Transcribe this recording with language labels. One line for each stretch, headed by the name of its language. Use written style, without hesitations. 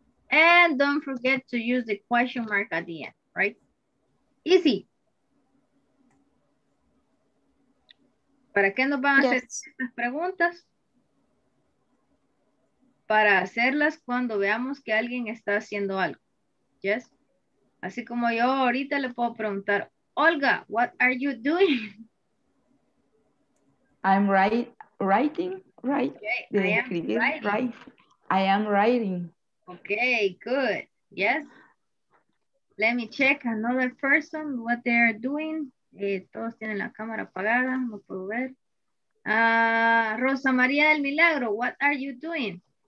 English: And don't forget to use the question mark at the end, right? Easy.
Spanish: ¿Para qué nos van a hacer estas preguntas? Para hacerlas cuando veamos que alguien está haciendo algo.
English: Yes.
Spanish: Así como yo ahorita le puedo preguntar, Olga,
English: what are you doing? I'm writing. Okay, good. Yes. Let me check another person what they are doing.
Spanish: Todos tienen la cámara apagada, no puedo ver.
English: Rosa María del Milagro, what are you doing?